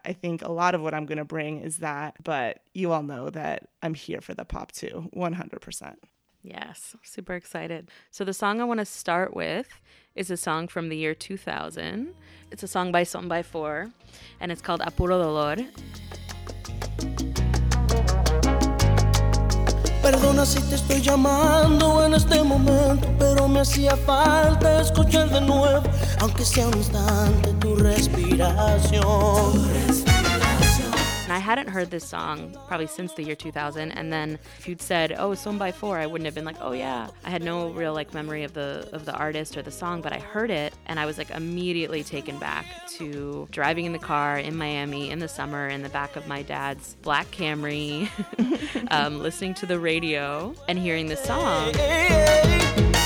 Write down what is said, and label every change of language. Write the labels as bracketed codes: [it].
[en] I think a lot of what I'm going to bring is that, but you all know that I'm here for the pop too, 100%. Yes, super excited. So the song I want to start with is a song from the year 2000. It's a song by Son by Four, and it's called Apuro Dolor. [es] Perdona si te estoy llamando en este momento, pero me hacía falta escuchar de nuevo, aunque sea un instante, tu respiración. [en] And I hadn't heard this song probably since the year 2000. And then if you'd said, oh, Son by Four, I wouldn't have been like, oh, yeah. I had no real like memory of the artist or the song, but I heard it. And I was like immediately taken back to driving in the car in Miami in the summer in the back of my dad's black Camry, listening to the radio and hearing this song.